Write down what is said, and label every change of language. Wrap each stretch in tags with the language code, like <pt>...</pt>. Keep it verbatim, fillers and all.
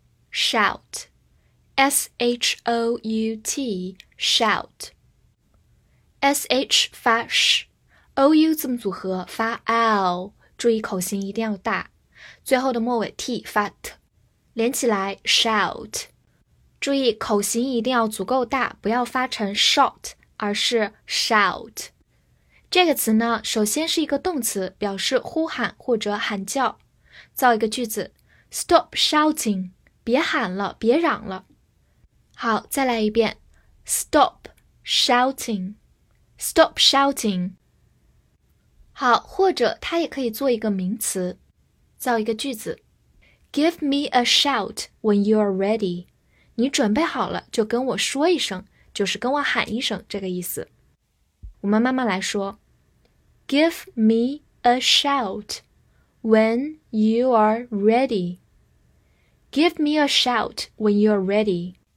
<zh>Shout, S H O U T, shout, S H 发 sh, O U 字母组合发 l，注意口型一定要大，最后的末尾 t 发 t， 连起来 shout， 注意口型一定要足够大，不要发成 short， 而是 shout。这个词呢，首先是一个动词，表示呼喊或者喊叫。造一个句子</zh> <en>Stop shouting，</en> <zh>别喊了，别嚷了。好，再来一遍</zh> <en>Stop shouting， Stop shouting。</en> <zh>好，或者它也可以做一个名词，造一个句子</zh> <en>Give me a shout when you are ready，</en> <zh>你准备好了就跟我说一声，就是跟我喊一声这个意思。我们慢慢来说</zh> <en>Give me a shout when you are ready， Give me a shout when you are ready。</en>